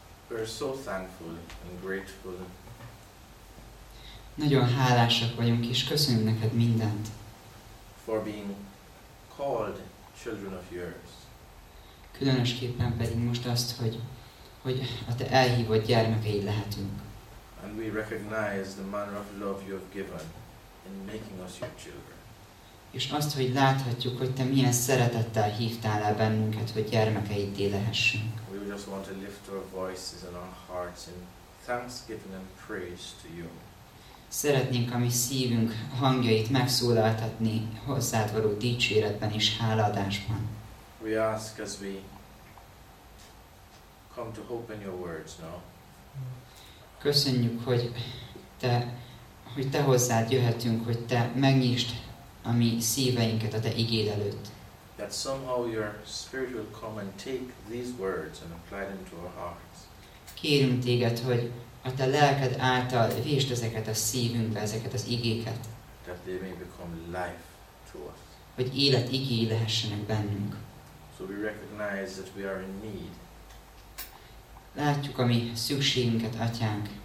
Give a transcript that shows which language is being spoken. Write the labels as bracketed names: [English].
[English] we're so thankful and grateful. [Hungarian] Nagyon hálásak vagyunk és köszönjük neked mindent. [English] For being called children of yours. [Hungarian] Különösképpen pedig most azt, hogy a te elhívott gyermekeid lehetünk. [English] And we recognize the manner of love you have given in making us your children. [Hungarian] És azt, hogy láthatjuk, hogy te milyen szeretettel hívtál el bennünket, hogy gyermekeiddé lehessünk. [English] We just want to lift our voices and our hearts in thanksgiving and praise to you. [Hungarian] Szeretnénk a mi szívünk hangjait megszólaltatni hozzád való dicséretben és hálaadásban. [English] We ask as we come to hope in your words now. [Hungarian] Köszönjük, hogy te hozzád jöhetünk, hogy te megnyisd a mi szíveinket a te igéd előtt. [English] That somehow your spirit will come and take these words and apply them to our hearts. [Hungarian] Kérünk téged, hogy a te lelked által vésd ezeket a szívünkbe, ezeket az igéket. [English] That they may become life to us. [Hungarian] Hogy élet igéi lehessenek bennünk. [English] So we recognize that we are in need. [Hungarian] Látjuk a mi szükségünket, atyánk.